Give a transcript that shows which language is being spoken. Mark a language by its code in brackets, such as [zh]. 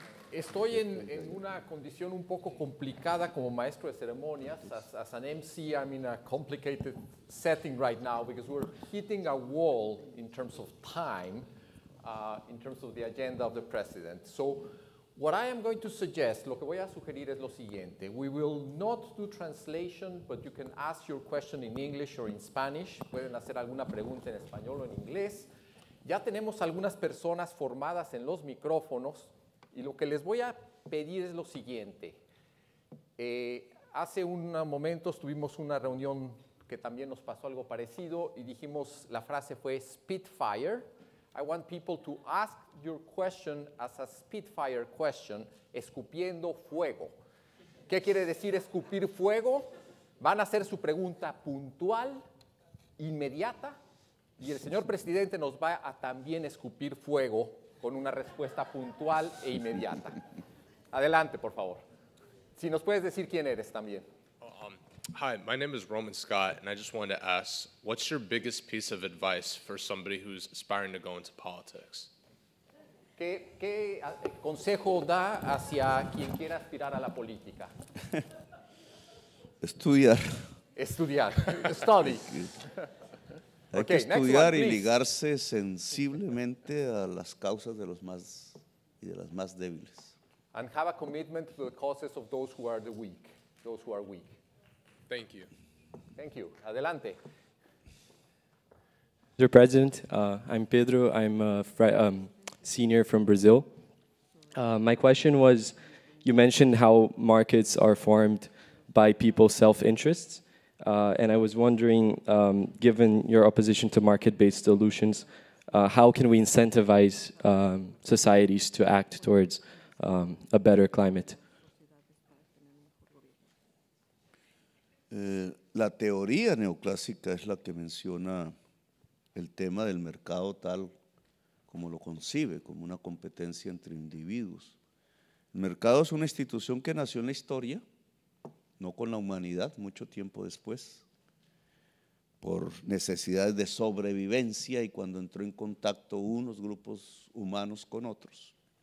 [es] Estoy en una condición un poco complicada como maestro de ceremonias. [en] As an MC, I'm in a complicated setting right now because we're hitting a wall in terms of time, in terms of the agenda of the president. So what I am going to suggest, [es] lo que voy a sugerir es lo siguiente. [en] We will not do translation, but you can ask your question in English or in Spanish. [es] Pueden hacer alguna pregunta en español o en inglés. Ya tenemos algunas personas formadas en los micrófonos. Y lo que les voy a pedir es lo siguiente. Hace un momento tuvimos una reunión que también nos pasó algo parecido y dijimos, la frase fue spitfire. [en] I want people to ask your question as a spitfire question, [es] escupiendo fuego. ¿Qué quiere decir escupir fuego? Van a hacer su pregunta puntual, inmediata, y el señor presidente nos va a también escupir fuego con una respuesta puntual e inmediata. Adelante, por favor. Si nos puedes decir quién eres también. [en] Hi, my name is Roman Scott, and I just wanted to ask, what's your biggest piece of advice for somebody who's aspiring to go into politics? [es] ¿Qué consejo da hacia quien quiera aspirar a la política? Estudiar. [en] Study. [es] Hay que estudiar y ligarse sensiblemente a las causas de los más y de las más débiles. [en] And have a commitment to the causes of those who are the weak. those who are weak. Thank you. Thank you. [es] Adelante. [en] Mr. President, I'm Pedro. I'm a senior from Brazil. My question was, you mentioned how markets are formed by people's self-interests. And I was wondering, given your opposition to market-based solutions, how can we incentivize societies to act towards a better climate? [es] La teoría neoclásica es la que menciona el tema del mercado tal como lo concibe, como una competencia entre individuos. El mercado es una institución que nació en la historia, no con la humanidad, mucho tiempo después, por necesidades de sobrevivencia y cuando entró en contacto unos grupos humanos con otros.